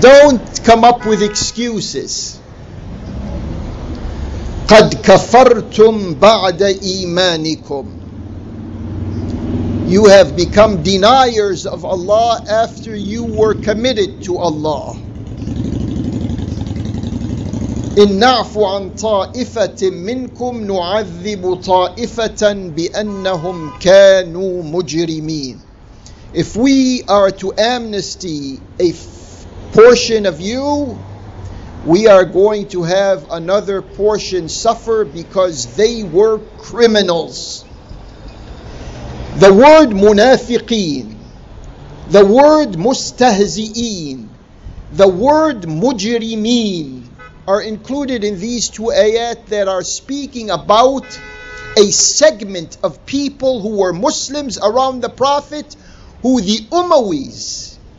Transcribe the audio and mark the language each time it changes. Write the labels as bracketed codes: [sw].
[en] Don't come up with excuses. [ar] قد كفرتم بعد إيمانكم. [en] You have become deniers of Allah after you were committed to Allah. [ar] إن نعفو عن طائفة منكم نعذب طائفة بأنهم كانوا مجرمين. [en] If we are to amnesty a portion of you, we are going to have another portion suffer because they were criminals. The word munafiqeen, the word mustahzi'een, the word mujrimeen are included in these two ayat that are speaking about a segment of people who were Muslims around the Prophet, who the Umayyads